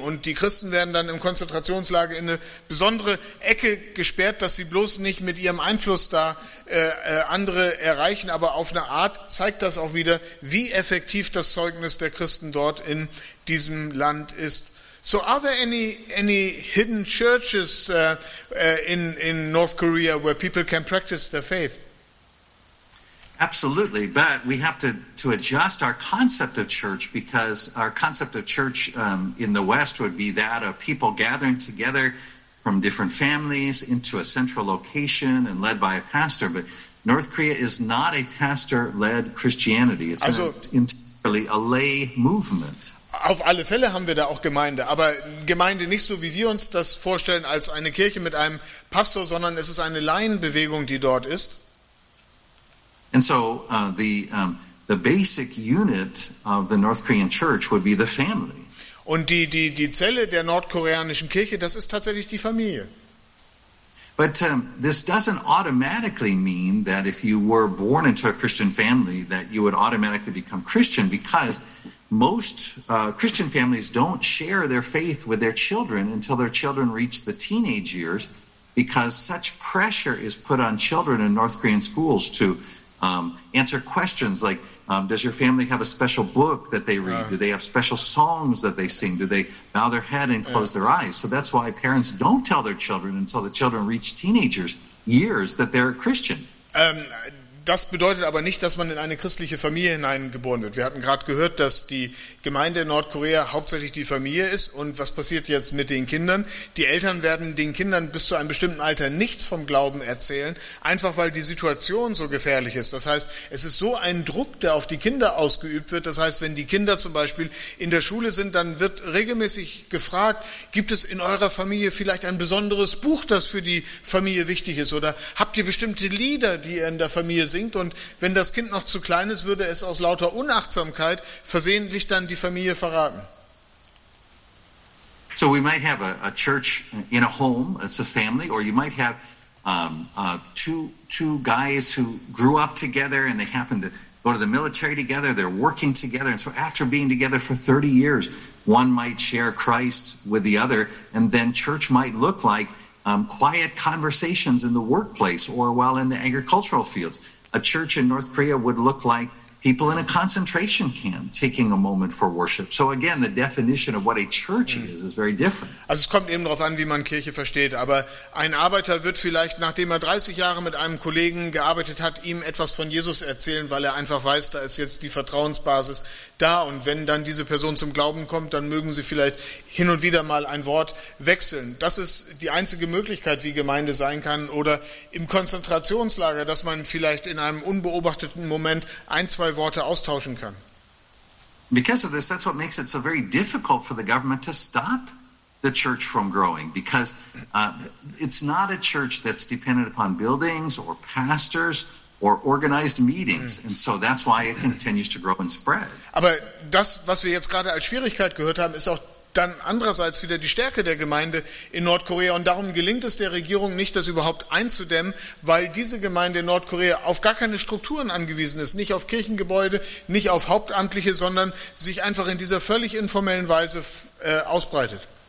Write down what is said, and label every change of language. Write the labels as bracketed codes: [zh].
[de] Und die Christen werden dann im Konzentrationslager in eine besondere Ecke gesperrt, dass sie bloß nicht mit ihrem Einfluss da andere erreichen. Aber auf eine Art zeigt das auch wieder, wie effektiv das Zeugnis der Christen dort in diesem Land ist. [en] So are there any hidden churches in North Korea where people can practice their faith? Absolutely, but we have to adjust our concept of church, because our concept of church in the West would be that of people gathering together from different families into a central location and led by a pastor. But North Korea is not a pastor-led Christianity. It's also entirely a lay movement. [de] Auf alle Fälle haben wir da auch Gemeinde, aber Gemeinde nicht so, wie wir uns das vorstellen, als eine Kirche mit einem Pastor, sondern es ist eine Laienbewegung, die dort ist. [en] And so the basic unit of the North Korean church would be the family. [de] Und die Zelle der nordkoreanischen Kirche, das ist tatsächlich die Familie. [en] But this doesn't automatically mean that if you were born into a Christian family that you would automatically become Christian, because most Christian families don't share their faith with their children until their children reach the teenage years, because such pressure is put on children in North Korean schools to answer questions like, does your family have a special book that they read? Do they have special songs that they sing? Do they bow their head and close their eyes? So that's why parents don't tell their children until the children reach teenagers years that they're a Christian. [de] Das bedeutet aber nicht, dass man in eine christliche Familie hineingeboren wird. Wir hatten gerade gehört, dass die Gemeinde in Nordkorea hauptsächlich die Familie ist. Und was passiert jetzt mit den Kindern? Die Eltern werden den Kindern bis zu einem bestimmten Alter nichts vom Glauben erzählen, einfach weil die Situation so gefährlich ist. Das heißt, es ist so ein Druck, der auf die Kinder ausgeübt wird. Das heißt, wenn die Kinder zum Beispiel in der Schule sind, dann wird regelmäßig gefragt, gibt es in eurer Familie vielleicht ein besonderes Buch, das für die Familie wichtig ist? Oder habt ihr bestimmte Lieder, die ihr in der Familie singt? Und wenn das Kind noch zu klein ist, würde es aus lauter Unachtsamkeit versehentlich dann die Familie verraten. [en] So we might have a church in a home, it's a family, or you might have two guys who grew up together and they happen to go to the military together, they're working together, and so after being together for 30 years, one might share Christ with the other, and then church might look like quiet conversations in the workplace or while in the agricultural fields. A church in North Korea would look like people in a concentration camp taking a moment for worship. So again, the definition of what a church is very different. [de] Also es kommt eben darauf an, wie man Kirche versteht, aber ein Arbeiter wird vielleicht, nachdem er 30 Jahre mit einem Kollegen gearbeitet hat, ihm etwas von Jesus erzählen, weil er einfach weiß, da ist jetzt die Vertrauensbasis da, und wenn dann diese Person zum Glauben kommt, dann mögen sie vielleicht hin und wieder mal ein Wort wechseln. Das ist die einzige Möglichkeit, wie Gemeinde sein kann, oder im Konzentrationslager, dass man vielleicht in einem unbeobachteten Moment ein, zwei Worte austauschen kann. [en] Because of this, that's what makes it so very difficult for the government to stop the church from growing, because it's not a church that's dependent upon buildings or pastors or organized meetings, and so that's why it continues to grow and spread. [de] Aber das, was wir jetzt gerade als Schwierigkeit gehört haben, ist auch dann andererseits wieder die Stärke der Gemeinde in Nordkorea, und darum gelingt es der Regierung nicht, das überhaupt einzudämmen, weil diese Gemeinde in Nordkorea auf gar keine Strukturen angewiesen ist, nicht auf Kirchengebäude, nicht auf Hauptamtliche, sondern sich einfach in dieser völlig informellen Weise ausbreitet.